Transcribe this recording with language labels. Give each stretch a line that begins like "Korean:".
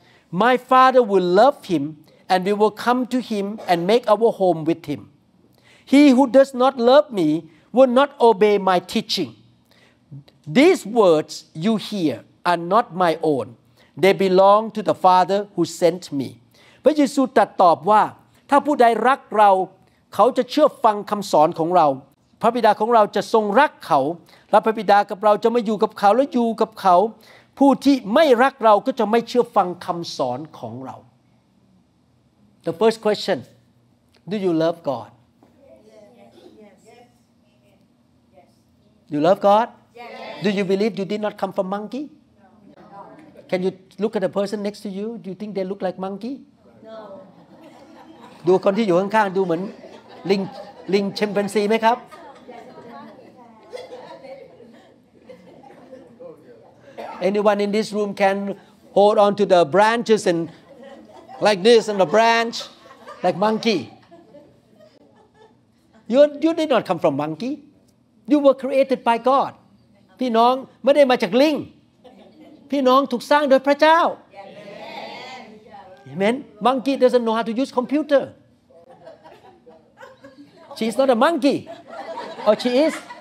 English: My Father will love him, and we will come to him and make our home with him. He who does not love me will not obey my teaching. These words you hear are not my own. They belong to the Father who sent me.
Thai: พระเยซูตรัสตอบว่าถ้าผู้ใดรักเราเขาจะเชื่อฟังคำสอนของเราพระบิดาของเราจะทรงรักเขาและพระบิดากับเราจะมาอยู่กับเขาและอยู่กับเขาผู้ที่ไม่รักเราก็จะไม่เชื่อฟังคำสอนของเรา
English: The first question Do you love God? Yes. Yes. You love God? Yes. Do you believe you did not come from monkey? No. Can you look at the person next to you? Do you think they look like monkey? No.
Thai: ดูคนที่อยู่ข้างๆดูเหมือนลิงชิมแปนซีไหมครับ
English: Anyone in this room can hold on to the branches and like this and the branch like monkey You did not come from monkey You were created by God
Thai: พี่น้องไม่ได้มาจากลิงพี่น้องถูกสร้างโดยพระเจ้า
English: Amen Monkey doesn't know how to use computerShe's not a monkey. Oh, she is.